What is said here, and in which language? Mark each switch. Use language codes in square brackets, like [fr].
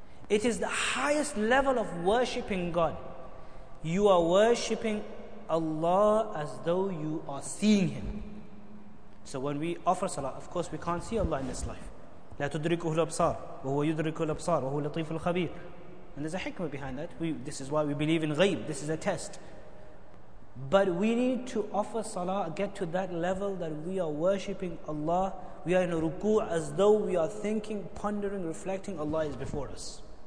[en] It is the highest level of worshipping God. You are worshipping Allah as though you are seeing Him. So when we offer salah, of course we can't see Allah in this life. [ar] لا تدركه الأبصار وهو يدرك الأبصار وهو لطيف الخبير. [en] And there's a hikmah behind that. This is why we believe in ghayb. This is a test. But we need to offer salah, get to that level that we are worshipping Allah. We are in a ruku' as though we are thinking, pondering, reflecting Allah is before us.